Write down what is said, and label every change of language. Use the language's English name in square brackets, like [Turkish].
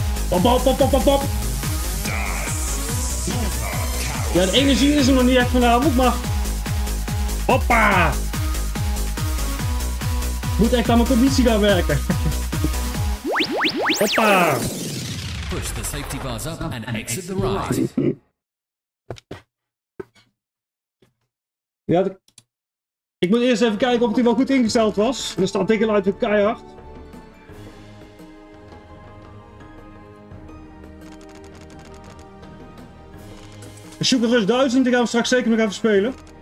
[Dutch] Bop. Ja, de energie is er nog niet echt vanavond, maar... Hoppa! Moet echt aan mijn conditie gaan werken. Hoppa! [English] Push the safety bars up and exit the right. [Dutch] Ja, ik moet eerst even kijken of die wel goed ingesteld was. Er staat dikke light weer keihard. Sugar Rush 1000, die gaan we straks zeker nog even spelen.